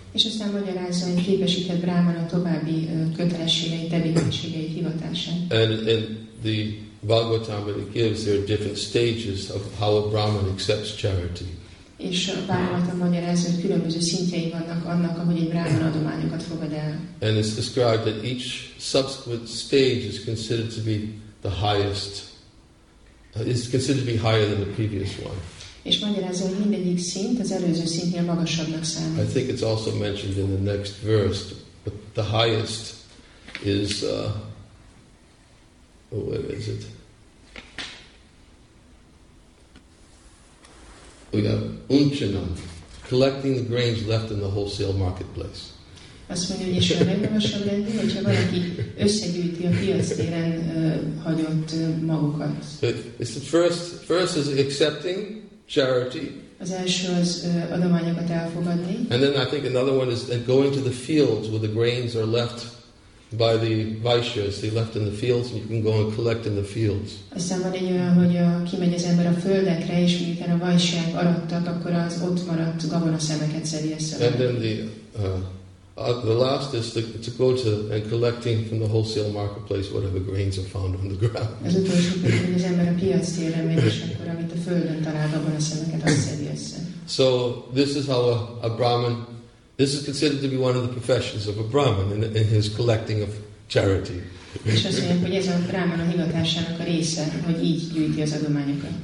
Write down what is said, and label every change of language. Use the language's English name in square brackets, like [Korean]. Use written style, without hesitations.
[Hungarian] És aztán magyarázza, hogy képesített Brahmana további kötelességei, tevékenységei, hivatásán. [English] And in the Bhagavatam, it gives there different stages of how a Brahmin accepts charity. [Hungarian] És a Bhagavatam magyarázza, hogy különböző szintjei vannak annak, ahogy egy Brahmana adományokat fogad el. [English] And it's described that each subsequent stage is considered to be the highest. It's considered to be higher than the previous one. [Hungarian] És magyarázza, hogy mindegyik szint az előző szintnél magasabbnak számít. [English] I think it's also mentioned in the next verse, but the highest is where is it? We have unchanam, collecting the grains left in the wholesale marketplace. [Hungarian] Azt mondja, hogy és a legmagasabb rendű, hogyha valaki összegyűjti a piac téren hagyott magukat. [English] It's the first is accepting charity. [Hungarian] Az első az adományokat elfogadni. [English] And then I think another one is going to the fields where the grains are left by the vaishyas. They left in the fields and you can go and collect in the fields. [Hungarian] Aztán van egy olyan, hogy kimegy az ember a földekre, és miután a vaishyák arattak, akkor az ott maradt gabonaszemeket szedi össze. [English] And then the last is to go to and collecting from the wholesale marketplace whatever grains are found on the ground. [Hungarian] Ez utolsó, az ember a piac téren megy, és akkor amit a földön talál, abban a szemeket azt szedi össze. [English] So this is how a Brahmin, this is considered to be one of the professions of a Brahmin in his collecting of charity. [Hungarian] És azt mondják, hogy ez a brámana hivatásának a része, hogy így gyűjti az adományokat.